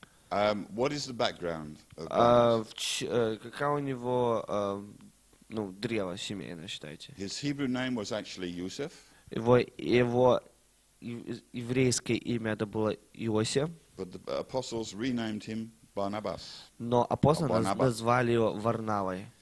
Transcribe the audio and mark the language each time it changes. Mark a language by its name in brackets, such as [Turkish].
[English] What is the background of [Russian] какая у него ну, древо семейное, считайте? [English] His Hebrew name was actually Yosef. [Russian] Его еврейское имя это было Иосиф. [English] But the apostles renamed him Barnabas. [Russian] Но апостолы назвали его Варнавой.